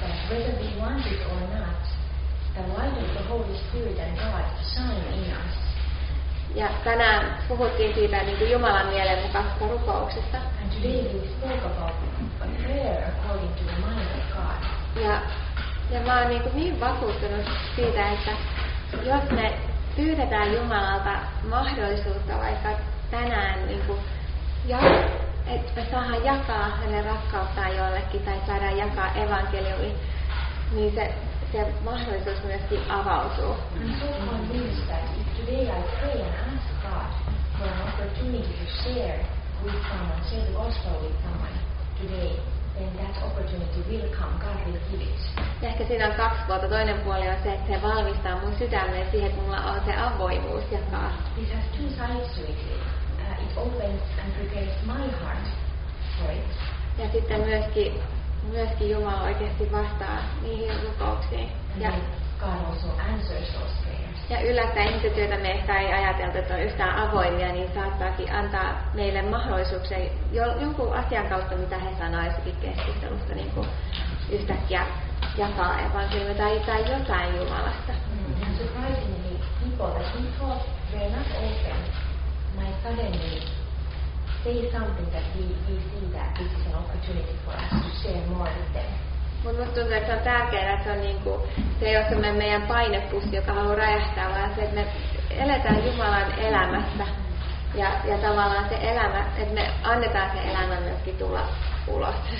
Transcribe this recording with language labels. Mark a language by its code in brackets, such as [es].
[en] Whether we want it or not, the light of the Holy Spirit and God shine in us. [fi] Ja tänään puhuttiin siitä niin kuin Jumalan mielen mukaisesta rukouksesta. [en] And today we spoke about a prayer according to the mind of God. [fi] Ja mä oon niin vakuuttunut siitä, että jos me pyydetään Jumalalta mahdollisuutta vaikka tänään niin kuin että me saadaan jakaa hänen rakkauttaan jollekin tai saadaan jakaa evankeliumi, niin se mahdollisuus myöskin avautuu. [en] I'm so convinced that if today I pray and ask God for an opportunity to share with someone, share the gospel with someone today, then that opportunity will come, God will give it. [fi] Ja ehkä siinä on kaksi puolta. Toinen puoli on se, että se valmistaa mun sydämeen siihen, että mulla on se avoimuus jakaa. [en] It has two sides to it. It opens and prepares my heart for it. [fi] Ja sitten myöskin Jumala oikeasti vastaa niihin rukouksiin. Ja [en] God also answers those prayers. [fi] Ja yllättäen ihmiset, joita me ehkä ei ajateltu, että on yhtään avoimia, niin saattaakin antaa meille mahdollisuuksia jonkun asian kautta, mitä he sanoisivat keskustelusta, niin kuin yhtäkkiä jakaa evankeliumia tai jotain Jumalasta. [en] And surprisingly, people that we thought were not open might suddenly say something that we see that this is an opportunity for us. [fi] Mutta minusta tuntuu, että se on tärkeää, että se, on niin kuin, se ei ole semmoinen meidän painepussi, joka haluaa räjähtää, vaan se, että me eletään Jumalan elämässä. Ja tavallaan se elämä, että me annetaan se elämä myöskin tulla ulos.